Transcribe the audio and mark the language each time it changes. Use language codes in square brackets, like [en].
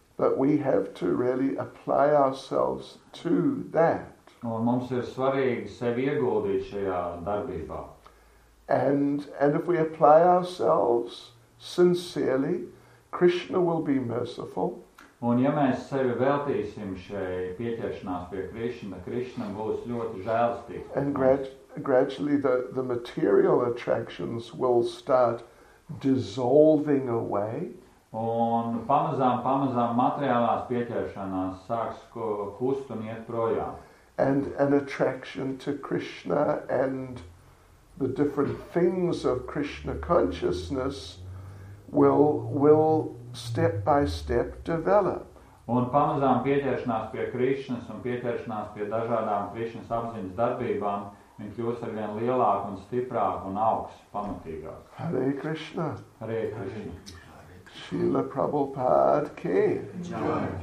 [en] But we have to really apply ourselves to that. [lv] Un mums ir svarīgi sevi ieguldīt šajā darbībā. [en] And if we apply ourselves sincerely, Krishna will be merciful. [lv] Un ja mēs sevi veltīsim šai pieķeršanās pie Krišņa, Krišņa būs ļoti žēlstīgs. [en] And gradually the material attractions will start dissolving away. [lv] Un pamazām materiālās pieķeršanās sāks kust un iet projām. [en] And an attraction to Krishna and the different things of Krishna consciousness will step by step develop. [lv] Un pamazām pieķeršanās pie Krišņas un pieķeršanās pie dažādām Krišņas apziņas darbībām viņi kļūst ar vien lielāk un stiprāk un augsts, pamatīgāk. [sa] Hare Krishna. Hare Krishna. Srila Prabhupāda ki.